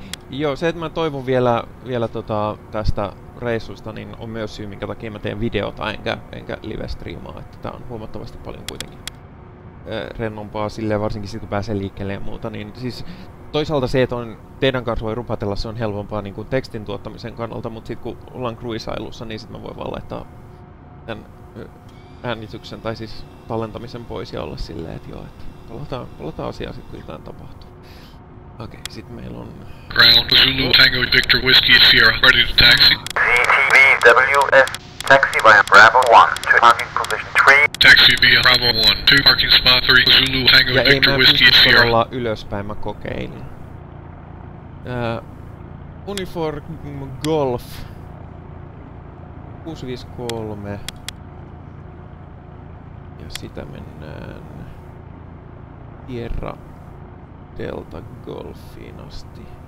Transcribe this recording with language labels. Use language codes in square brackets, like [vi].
[fi] Joo, se, että mä toivon vielä tästä reissusta, niin on myös syy, minkä takia mä teen videota enkä live-striimaa, että tää on huomattavasti paljon kuitenkin rennompaa silleen, varsinkin sit kun pääsee liikkeelle ja muuta, niin siis toisaalta se, että on teidän kanssa voi rupatella, se on helpompaa niin kuin tekstin tuottamisen kannalta, mutta sitten kun ollaan kruisailussa, niin sitten mä voin vaan laittaa tämän äänityksen tai siis tallentamisen pois ja olla silleen, että joo, että palataan asiaa sitten, kun jotain tapahtuu. Okei, okay, sitten meillä on [en] Ground Zulu Tango Victor Whiskey Sierra, ready to taxi. ZTV WF, taxi via Bravo 1, to parking position 3. Taxi via Bravo 1, 2 parking spot 3, Zulu Tango [fi] ja [en] Victor Whiskey Sierra. [fi] pystytä todella ylöspäin, mä kokeilin. [en] Uniform Golf 653. [fi] Ja sitä mennään Sierra Delta Golfiin asti.